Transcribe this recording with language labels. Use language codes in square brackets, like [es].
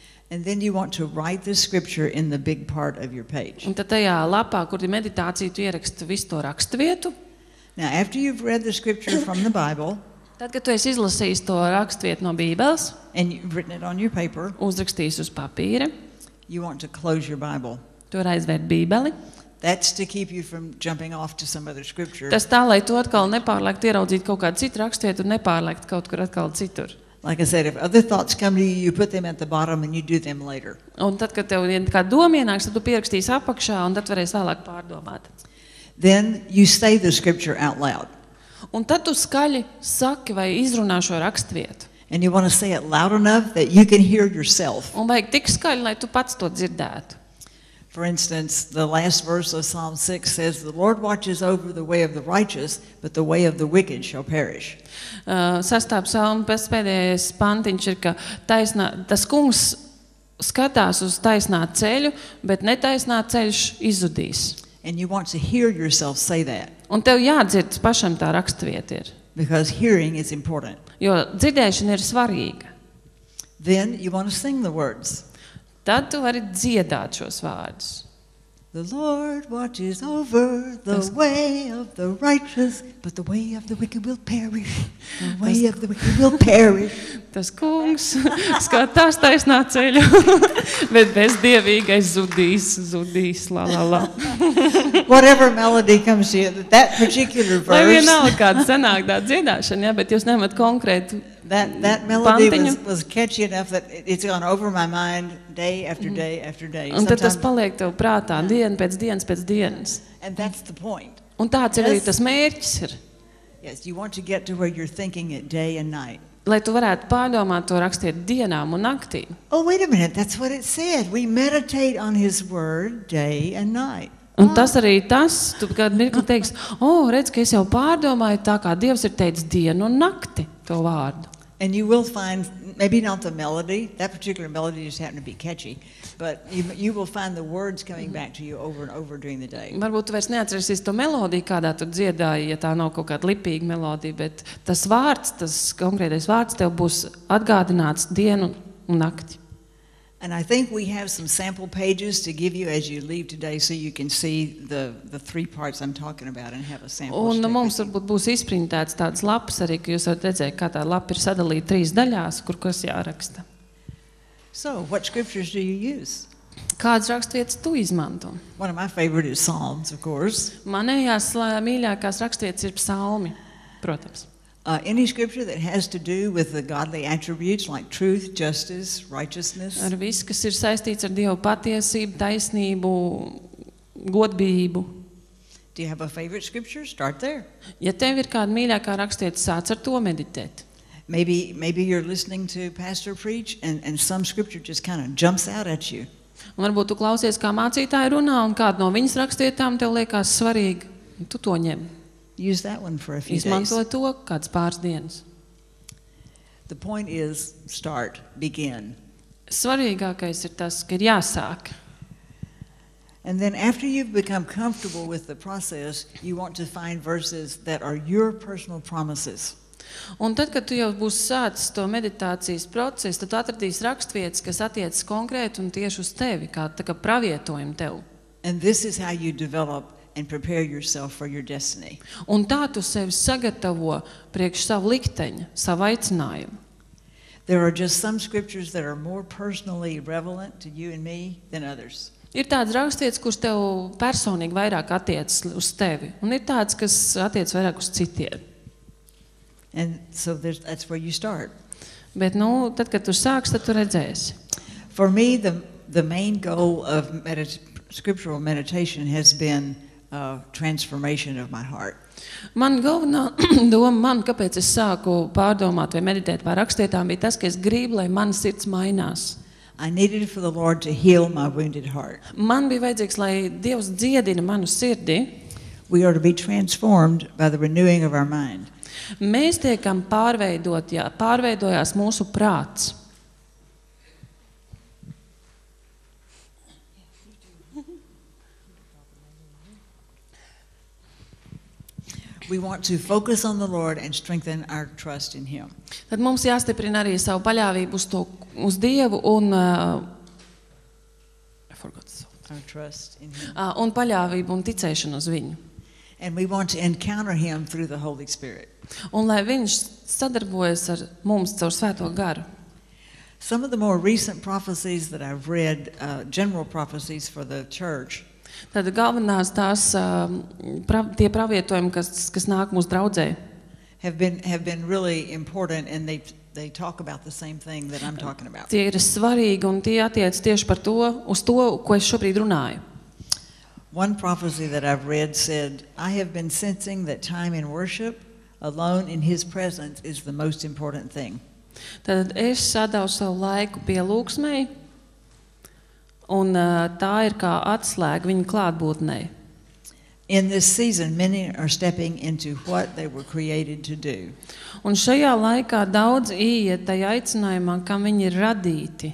[en] And then you want to write the scripture in the big part of your page. [lv] Un tad tajā lapā, kur ir meditācija, tu ieraksti visu to rakstuvietu. [en] Now, after you've read the scripture from the Bible, [lv] tad, kad tu esi izlasījis to rakstuvietu no Bībeles, [en] and you've written it on your paper, [lv] uzrakstījis uz papīra, [en] you want to close your Bible. [lv] Tu vari aizvērt Bībeli. [en] That's to keep you from jumping off to some other scripture. [lv] Tas tā, lai tu atkal nepārlēkt ieraudzīt kaut kādu citu rakstuvietu un nepārlēkt kaut kur atkal citur. [en] Like I said, if other thoughts come to you, you put them at the bottom and you do them later. [lv] Un tad, kad tev kā doma ienāks, tad tu pierakstīsi apakšā un tad varēsi vēlāk pārdomāt. [en] Then you say the scripture out loud. [lv] Un tad tu skaļi saki vai izrunā šo rakstuvietu. [en] And you want to say it loud enough that you can hear yourself. [lv] Un vajag tik skaļi, lai tu pats to dzirdētu. [en] For instance, the last verse of Psalm 6 says, "The Lord watches over the way of the righteous, but the way of the wicked shall perish." [lv] Sastāv psalma pēdējais pantiņš ir, ka taisnā, tas kungs skatās uz taisnā ceļu, bet netaisnā ceļš izudīs. [en] And you want to hear yourself say that. [lv] Un tev jādzird pašam tā rakstuvieta ir. [en] Because hearing is important. [lv] Jo dzirdēšana ir svarīga. [en] Then you want to sing the words. [lv] Tad tu vari dziedāt šos vārdus. [en] The Lord watches over the way of the righteous, but the way of the wicked will perish. The way of the wicked will perish. [lv] Tas kungs skatās taisnā ceļu, bet bezdievīgais zudīs, la la la. [en] Whatever melody comes to you, that particular verse. [lv] Lai vienalga, kāda sanāk tā dziedāšana, ja, bet jūs nemat konkrētu [en] That melody was catchy enough that it's gone over my mind day after day after day. [lv] Un tad tas paliek tev prātā dienu pēc dienas pēc dienas. [en] And that's the point. [lv] Un tāds ir arī tas mērķis ir. [en] Yes, you want to get to where you're thinking it day and night. [lv] Lai tu varētu pārdomāt to rakstīt dienām un naktī. [en] Oh, wait a minute, that's what it said. We meditate on his word day and night. [lv] Un tas arī tas, tu kādu mirkli teiksi, oh, redz, ka es jau pārdomāju tā, kā Dievs ir teicis dienu un nakti to vārdu. [en] And you will find, maybe not the melody, that particular melody just happened to be catchy, but you will find the words coming back to you over and over during the day. [lv] Varbūt tu vairs neatceries to melodiju, kādā tu dziedāji, ja tā nav kaut kāda lipīga melodija, bet tas vārds, tas konkrētais vārds tev būs atgādināts dienu un nakti. [en] And I think we have some sample pages to give you as you leave today so you can see the three parts I'm talking about and have a sample. [lv] Un mums varbūt būs izprintēts tāds laps arī, ka jūs varat redzēt, kā tā lapa ir sadalīta trīs daļās, kur kas jāraksta. [en] So, what scriptures do you use? [lv] Kādas rakstvietas tu izmanto? [en] One of my favorite is Psalms, of course. [lv] Manējās mīļākās rakstvietas ir psalmi, protams. [en] Any scripture that has to do with the godly attributes like truth, justice, righteousness. [lv] Ar visu, kas ir saistīts ar Dievu patiesību, taisnību, godbību. [en] Do you have a favorite scripture? Start there. [lv] Ja tev ir kāda mīļākā rakstvieta, sāc ar to meditēt. [en] Maybe you're listening to pastor preach and some scripture just kind of jumps out at you. [lv] Un varbūt tu klausies, kā mācītāji runā un kāda no viņas rakstvietām tev liekas svarīga, tu to ņem. [en] Use that one for a few days. [lv] Izmanto to kāds pāris dienas. [en] The point is start, begin. [lv] Svarīgākais ir tas, ka ir jāsāk. [en] And then after you've become comfortable with the process, you want to find verses that are your personal promises. [lv] Un tad, kad tu jau būsi sācis to meditācijas procesu, tad tu atradīsi rakstvietas, kas attiecas konkrēti un tieši uz tevi, kā tā kā pravietojumu tev. [en] And this is how you develop and prepare yourself for your destiny. [lv] Un tā tu sevi sagatavo priekš savu likteņu, savu aicinājumu. [en] There are just some scriptures that are more personally relevant to you and me than others. [lv] Ir tādas rakstvietas, kuras tev personīgi vairāk attiecas uz tevi, un ir tādas, kas attiecas vairāk uz citiem. [en] And so that's where you start. [lv] Bet nu, tad kad tu sāks, tad tu redzēsi. [en] For me the main goal of scriptural meditation has been transformation of my heart. [lv] Man galvenā doma, man, kāpēc es sāku pārdomāt vai meditēt par rakstietām, bija tas, ka es gribu, lai mans sirds mainās. [en] I needed for the Lord to heal my wounded heart. [lv] Man bija vajadzīgs, lai Dievs dziedina manu sirdi. [en] We are to be transformed by the renewing of our mind. [lv] Mēs tiekam pārveidot, ja pārveidojās mūsu prāts. [en] We want to focus on the Lord and strengthen our trust in him. [lv] Tad mums jāstiprina arī savu paļāvību uz to uz Dievu un [en] our trust in him. [lv] Un paļāvību un ticēšanu uz viņu. [en] And we want to encounter him through the Holy Spirit. [lv] Un lai viņš sadarbojas ar mums caur Svēto Garu. [en] Some of the more recent prophecies that I've read, general prophecies for the church. [lv] Tad galvenās tās tie pravietojumi, kas nāk mūsu draudzē. [en] Have been really important and they talk about the same thing that I'm talking about. [lv] Tie ir svarīgi un tie attiec tieši par to, uz to, ko es šobrīd runāju. [en] One prophecy that I've read said, I have been sensing that time in worship alone in his presence is the most important thing. [lv] Tad es sadevu savu laiku pie lūksmei. Un tā ir kā atslēga viņa klātbūtnē. [en] In this season many are stepping into what they were created to do. [lv] Un šajā laikā daudz iet tajā aicinājumā, kam viņi ir radīti.